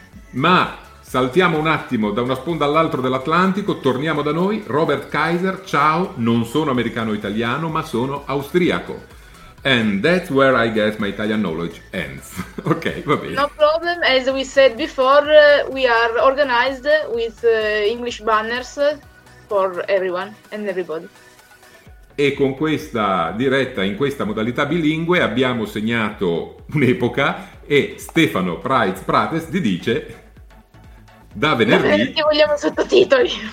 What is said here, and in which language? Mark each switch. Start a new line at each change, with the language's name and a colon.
Italian: Ma saltiamo un attimo da una sponda all'altro dell'Atlantico, torniamo da noi. Robert Kaiser, ciao, non sono americano-italiano, ma sono austriaco.
English: And that's where I guess my Italian knowledge ends.
Italian: Ok, va bene.
English: No problem, as we said before, we are organized with English banners for everyone and everybody.
Italian: E con questa diretta, in questa modalità bilingue, abbiamo segnato un'epoca e Stefano Price Prates ti dice da venerdì... Ti vogliamo sottotitoli!